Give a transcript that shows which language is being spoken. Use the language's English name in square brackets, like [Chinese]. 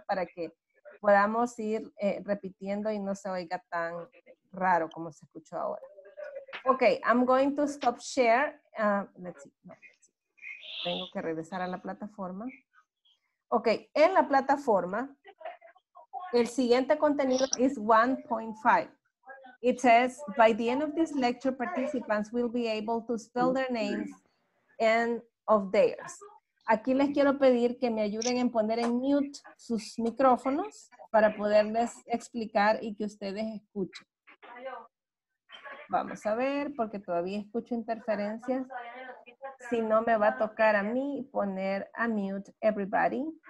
[Spanish] Para que podamos ir repitiendo y no se oiga tan raro como se escuchó ahora. [English] Okay, I'm going to stop share. Let's see. [Spanish] Tengo que regresar a la plataforma. Okay, en la plataforma, el siguiente contenido is 1.5. [English] It says, by the end of this lecture, participants will be able to spell their names and of theirs. [Spanish] Aquí les quiero pedir que me ayuden en poner en mute sus micrófonos para poderles explicar y que ustedes escuchen. Vamos a ver, porque todavía escucho interferencias. Si no, me va a tocar a mí poner a mute everybody.